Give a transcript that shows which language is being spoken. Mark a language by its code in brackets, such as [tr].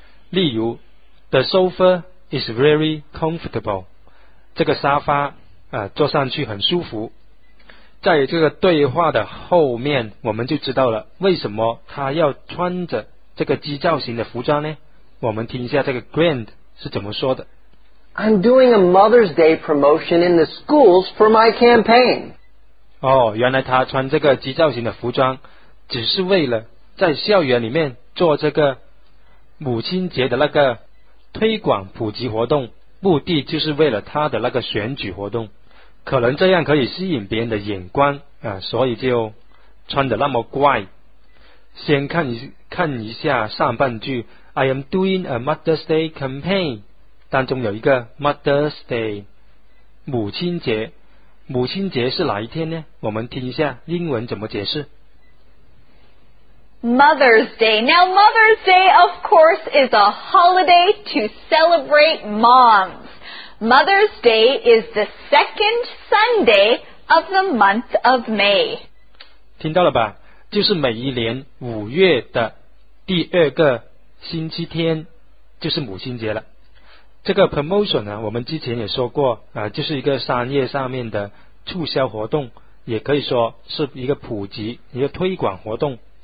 [zh] 例如 [en] The sofa is very comfortable， [zh] 这个沙发、坐上去很舒服。在这个对话的后面我们就知道了为什么他要穿着这个鸡造型的服装呢。我们听一下这个 Grant 是怎么说的。 [en] I'm doing a Mother's Day promotion in the schools for my campaign。 [zh] 哦，原来他穿这个鸡造型的服装只是为了在校园里面做这个母亲节的那个推广普及活动，目的就是为了他的那个选举活动，可能这样可以吸引别人的眼光啊，所以就穿得那么怪。先看一下上半句 [en] I am doing a Mother's Day campaign， [zh] 当中有一个 Mother's Day， 母亲节。母亲节是哪一天呢？我们听一下英文怎么解释。 [en] Mother's Day. Now, Mother's Day, of course, is a holiday to celebrate moms. Mother's Day is the second Sunday of the month of May. [zh] 听到了吧？就是每一年五月的第二个星期天，就是母亲节了。这个 promotion 呢，我们之前也说过啊，就是一个商业上面的促销活动，也可以说是一个普及、一个推广活动。